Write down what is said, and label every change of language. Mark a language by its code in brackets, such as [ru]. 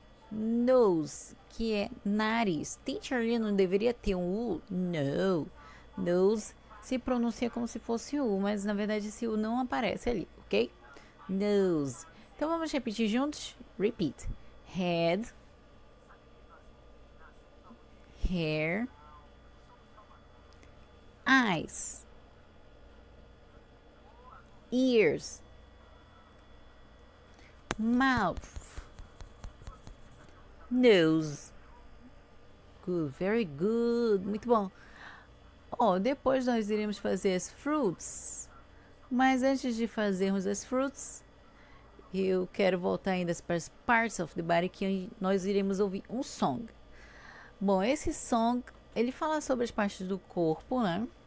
[pt] Nose, que é nariz. Teacher, não deveria ter um U? No. Nose se pronuncia como se fosse U, mas na verdade esse U não aparece ali, ok? Nose. Então vamos repetir juntos? [en] Repeat. Head. Hair, eyes, ears, mouth, nose. Good, very good, [pt] muito bom. Ó, depois nós iremos fazer as fruits, mas antes de fazermos as fruits, eu quero voltar ainda para as [en] parts of the body [pt] que nós iremos ouvir um song. Bom, esse song, ele fala sobre as partes do corpo, né?